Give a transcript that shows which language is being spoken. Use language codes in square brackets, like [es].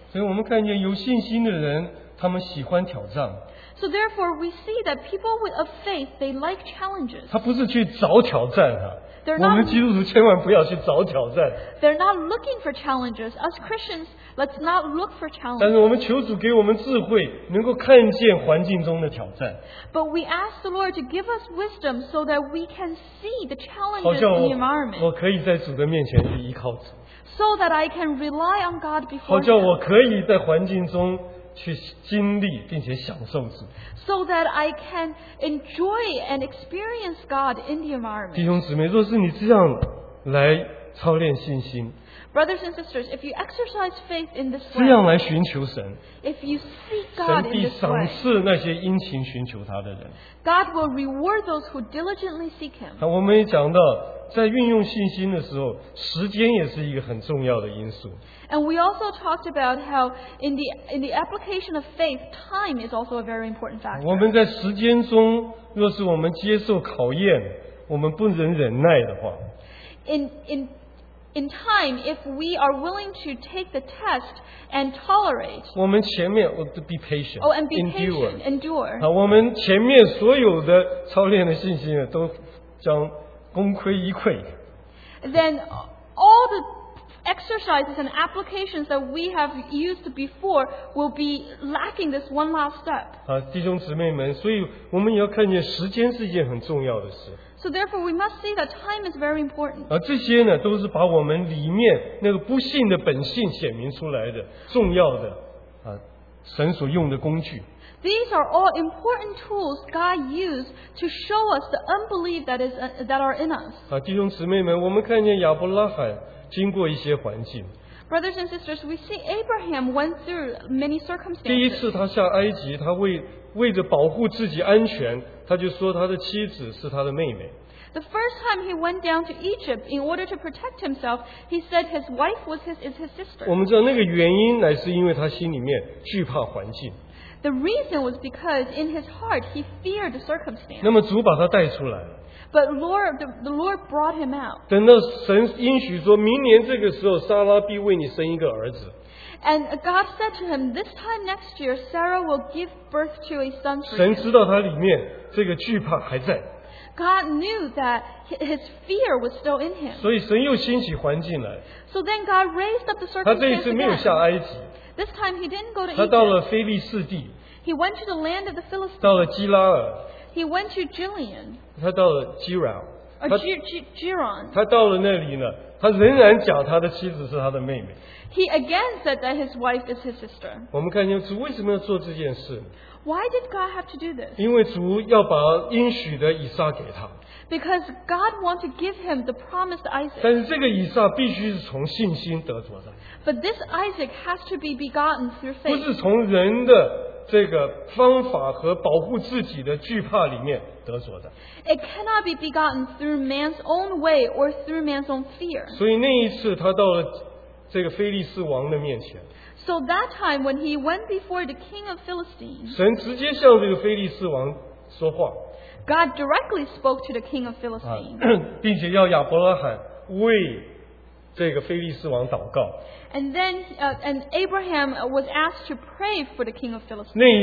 [zh] 所以我们看见有信心的人，他们喜欢挑战。 [en] So therefore, we see that people with a faith they like challenges. [zh] 他不是去找挑战啊。我们基督徒千万不要去找挑战。 [en] They're not looking for challenges. As Christians, let's not look for challenges. [zh] 但是我们求主给我们智慧，能够看见环境中的挑战。 [en] But we ask the Lord to give us wisdom so that we can see the challenges in the environment. [zh] 我可以在主的面前去依靠主。 [en] So that I can rely on God before. [zh] 好叫我可以在环境中去经历并且享受主。 [en] So that I can enjoy and experience God in the environment. [zh] 弟兄姊妹，若是你这样来操练信心 [en] ，Brothers and sisters, if you exercise faith in this way, [zh] 这样来寻求神 [en] ，If you seek God in this way, [zh] 神必赏赐那些殷勤寻求他的人。 [en] God will reward those who diligently seek Him. [zh] 我们也讲到，在运用信心的时候，时间也是一个很重要的因素。 [en] And we also talked about how in the application of faith, time is also a very important factor. [zh] 我们在时间中，若是我们接受考验，我们不能忍耐的话 [en] ，in time, if we are willing to take the test and tolerate, [zh] 我们前面 [en] be patient. Oh, and be patient, endure. [zh] 好，我们前面所有的操练的信心都将功亏一篑。 [en] Then all the exercises and applications that we have used before will be lacking this one last step. [zh] 弟兄姊妹们，所以我们也要看见时间是一件很重要的事。 [en] So therefore, we must see that time is very important. [zh] 这些呢，都是把我们里面那个不信的本性显明出来的重要的神所用的工具。 [en] These are all important tools God used to show us the unbelief that are in us. [zh] 弟兄姊妹们，我们看见亚伯拉罕。经过一些环境 [en] Brothers and sisters, we see Abraham went through many circumstances. [zh] 第一次他下埃及，他为着保护自己安全，他就说他的妻子是他的妹妹。 [en] The first time he went down to Egypt in order to protect himself, he said his wife is his sister. [zh] 我们知道那个原因乃是因为他心里面惧怕环境。 [en] The reason was because in his heart he feared the circumstance. [zh] 那么主把他带出来。 [en] But the Lord brought him out. [zh] 等到神应许说明年这个时候莎拉必为你生一个儿子。 [en] And God said to him, this time next year, Sarah will give birth to a son for you. [zh] 神知道他里面这个惧怕还在。 [en] God knew that his fear was still in him. [zh] 所以神又兴起环境来。 [en] So then God raised up the circumstances again. [zh] 他这一次没有下埃及。 [en] This time he didn't go to Egypt. [zh] 他到了非利士地。 [en] He went to the land of the Philistines. [zh] 到了基拉尔。 [en] He went to Gilead. [zh] 他到了基拉尔。 [en] Giron. [zh] 他到了那里呢, 他仍然讲他的妻子是他的妹妹。 [en] He again said that his wife is his sister. [zh] 我们看见主为什么要做这件事? [en] Why did God have to do this? [zh] 因为主要把应许的以撒给他。 [en] Because God wanted to give him the promised Isaac. [zh] 但是这个以撒必须是从信心得着的。 [en] But this Isaac has to be begotten through faith. [zh] 不是从人的 这个方法和保护自己的惧怕里面得着的。 [en] It cannot be begotten through man's own way or through man's own fear. [zh] 所以那一次他到了这个腓力斯王的面前。 [en] So that time when he went before the king of Philistines, [zh] 神直接向这个腓力斯王说话。 [en] God directly spoke to the king of Philistines. [zh] 并且要亚伯拉罕为 这个腓力斯王祷告, [en] and then and Abraham was asked to pray for the king of Philistines.